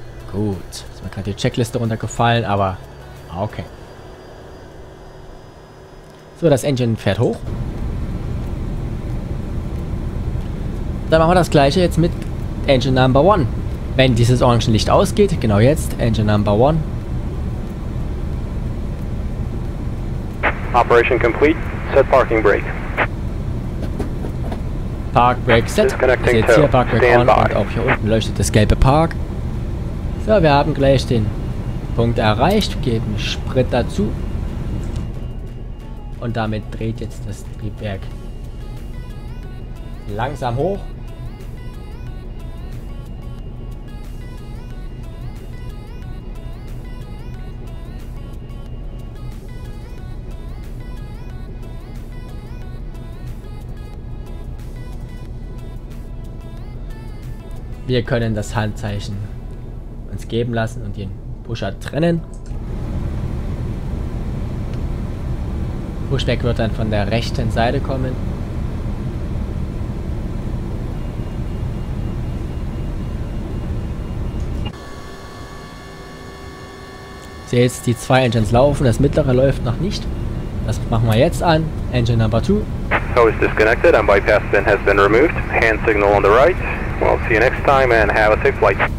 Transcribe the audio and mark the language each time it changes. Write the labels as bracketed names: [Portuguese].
[German] Gut, ist mir gerade die Checkliste runtergefallen, aber okay. So, das Engine fährt hoch. Dann machen wir das gleiche jetzt mit Engine Number One. Wenn dieses orange Licht ausgeht, genau jetzt, Engine Number One. [English] Operation complete, set parking brake. Park brake set, [German] das ist jetzt hier [English] Park brake on [German] und auch hier unten leuchtet das gelbe Park. So, wir haben gleich den Punkt erreicht, geben Sprit dazu. Und damit dreht jetzt das Triebwerk langsam hoch. Wir können das Handzeichen uns geben lassen und den Pusher trennen. Pushback wird dann von der rechten Seite kommen. Seht jetzt, die zwei Engines laufen, das mittlere läuft noch nicht. Das machen wir jetzt an. Engine Number 2. [English] Hose disconnected and bypass pin has been removed. Hand signal on the right. We'll see you next time and have a safe flight.